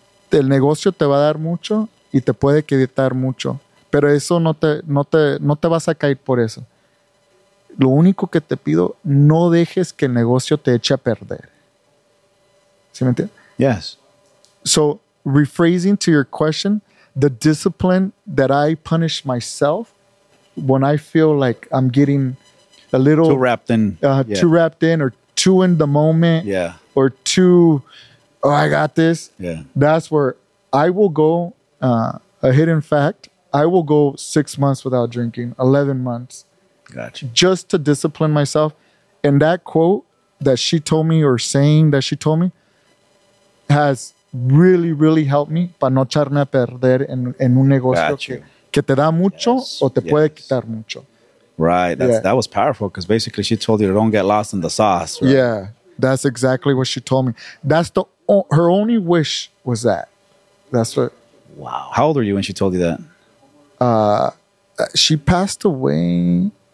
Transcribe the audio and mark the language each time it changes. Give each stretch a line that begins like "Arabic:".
Spanish: El negocio te va a dar mucho y te puede quitar mucho. Pero eso no te vas a caer por eso. Lo único que te pido, no dejes que el negocio te eche a perder. ¿Sí me entiendes?
English: Yes. So, rephrasing to your question, the discipline that I punish myself when I feel like I'm getting a little... Too wrapped in. Too wrapped in or... too in the moment, yeah, or too, oh, I got this. Yeah, that's where I will go. A hidden fact: I will go 6 months without drinking, 11 months, gotcha, just to discipline myself. And that quote that she told me, or saying that she told me, has really, really helped me.
Spanish: Para no echarme a perder en un negocio que te da mucho, yes, o te, yes, puede quitar mucho.
English: Right. That's, yeah, that was powerful, because basically she told you don't get lost in the sauce. Right? Yeah. That's exactly what she told me. That's the, her only wish was that. That's what. Wow. How old were you when she told you that? She passed away.